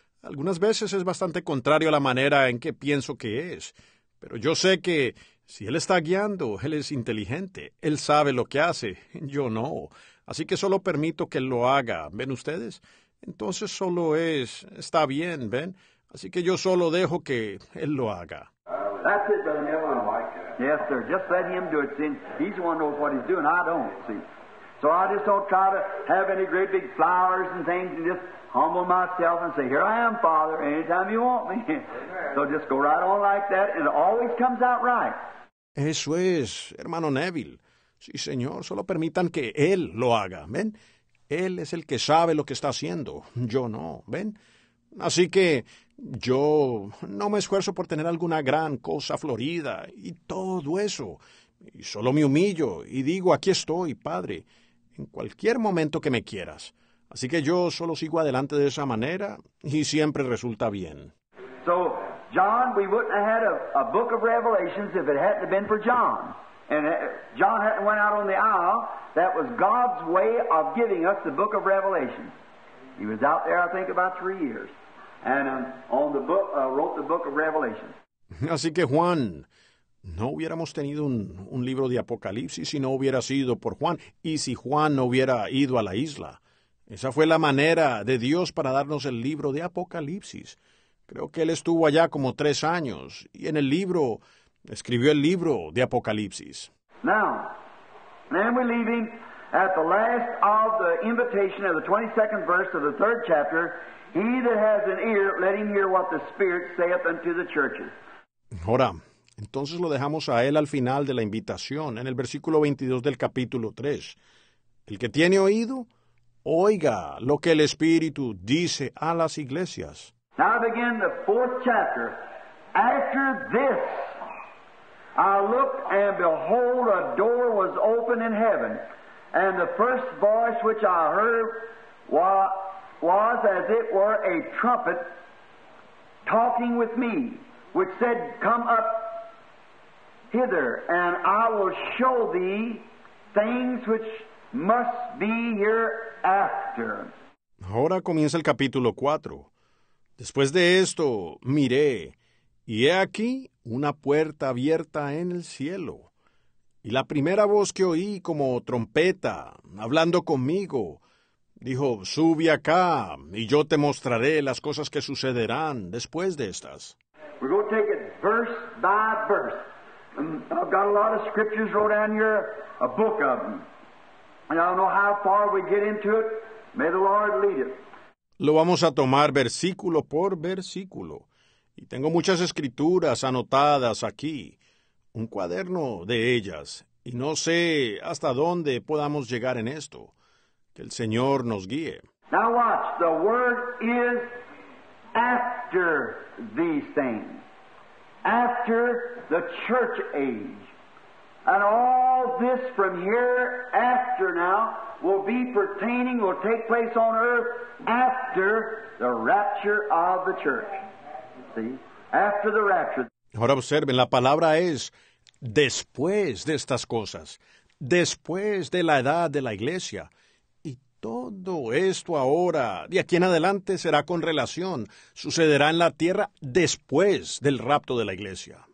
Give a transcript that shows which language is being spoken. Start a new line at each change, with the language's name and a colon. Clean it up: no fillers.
Spanish: Algunas veces es bastante contrario a la manera en que pienso que es. Pero yo sé que si él está guiando, él es inteligente. Él sabe lo que hace. Yo no. Así que solo permito que él lo haga. ¿Ven ustedes? Entonces solo es, está bien, ¿ven? Así que yo solo dejo que él lo haga.
English: That's it, Brother Neville. I don't like that. Yes, sir. Just let him do it. See, he's the one who knows what he's doing. I don't, see. So I just don't try to have any great big flowers and things and just humble myself and say, here I am, Father, anytime you want me. So just go right on like that and it always comes out right.
Spanish: Eso es, hermano Neville. Sí, señor, solo permitan que él lo haga, ¿ven? Él es el que sabe lo que está haciendo, yo no, ¿ven? Así que yo no me esfuerzo por tener alguna gran cosa florida y todo eso. Y solo me humillo y digo, aquí estoy, Padre, en cualquier momento que me quieras. Así que yo solo sigo adelante de esa manera y siempre resulta bien.
English: So, John, we wouldn't have had a book of Revelations if it hadn't been for John. And John hadn't went out on the aisle. That was God's way of giving us the book of Revelation. He was out there, I think, about 3 years. And on the book, wrote the book of Revelation.
Spanish: Así que, Juan, no hubiéramos tenido un libro de Apocalipsis si no hubiera sido por Juan. Y si Juan no hubiera ido a la isla. Esa fue la manera de Dios para darnos el libro de Apocalipsis. Creo que él estuvo allá como 3 años. Y en el libro, escribió el libro de Apocalipsis.
English: Now, then we leave him at the last of the invitation of the 22nd verse of the 3rd chapter. He that has an ear, let him hear what the Spirit saith unto the churches.
Spanish: Ahora, entonces lo dejamos a él al final de la invitación, en el versículo 22 del capítulo 3. El que tiene oído, oiga lo que el Espíritu dice a las iglesias.
English: Now begin the 4th chapter. After this, I looked, and behold, a door was open in heaven, and the first voice which I heard was as it were a trumpet talking with me, which said, come up hither, and I will show thee things which must be hereafter.
Spanish: Ahora comienza el capítulo 4. Después de esto, miré, y he aquí una puerta abierta en el cielo. Y la primera voz que oí como trompeta, hablando conmigo, dijo, sube acá, y yo te mostraré las cosas que sucederán después de estas.
English: We're going to take it verse by verse. I've got a lot of scriptures wrote down here, a book of them. And I don't know how far we get into it. May the Lord lead it.
Spanish: Lo vamos a tomar versículo por versículo. Y tengo muchas escrituras anotadas aquí, un cuaderno de ellas, y no sé hasta dónde podamos llegar en esto. Que el Señor nos guíe.
English: Now watch, the word is after these things, after the church age. And all this from here after now will be pertaining, will take place on earth after the rapture of the church. See? After the rapture.
Spanish: Ahora observen, la palabra es después de estas cosas, después de la edad de la iglesia. Y todo esto ahora, de aquí en adelante, será con relación. Sucederá en la tierra después del rapto de la iglesia.